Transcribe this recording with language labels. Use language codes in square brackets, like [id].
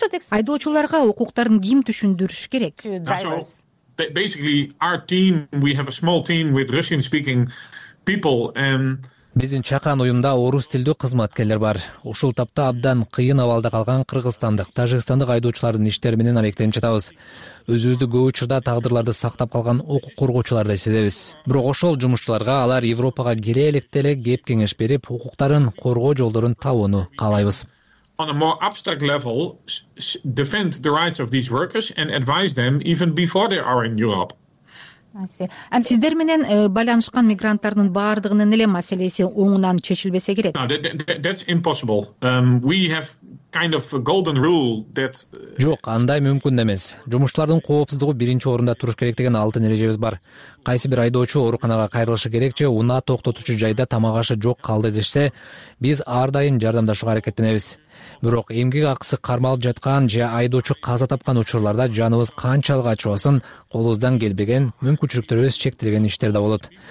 [ky] Айдоочуларга укуктарын ким түшүндүрүш керек? [en] Basically our team, we have a small team with Russian speaking people and [ky] биздин чакан уюмда орус тилдүү кызматкерлер бар. Ушул тапта абдан кыйын абалда калган кыргызстандык, тажикстандык айдоочулардын иштери менен аракеттенип жатабыз. Өзүбүздү көп учурда тагдырларды сактап калган укук коргоочулардай сезебиз. Бирок ошол жумушчуларга алар Европага келе электе эле кеп кеңеш берип, укуктарын коргоо жолдорун табууну каалайбыз. [en] On a more abstract level, defend the rights of these workers and advise them even before they are in Europe. [ky] Сиздер менен байланышкан мигранттардын баардыгынын эле маселеси оңунан чечилбесе керек? [en] That's impossible. We have kind of a golden rule that [ky] Жок, андай мүмкүн эмес. Жумушчулардын коопсуздугу биринчи орунда туруш керек деген алтын эрежебиз бар. Кайсы бир айдоочу ооруканага кайрылышы керек же унаа токтотуучу жайда тамак ашы жок калды дешсе, биз ар дайым жардамдашууга аракеттенебиз. Бирок эмгек акысы кармалып жаткан же айдоочу каза тапкан учурларда жаныбыз канчалык ачыбасын колубуздан келбеген мүмкүнчүлүктөрүбүз чектелген иштер да болот.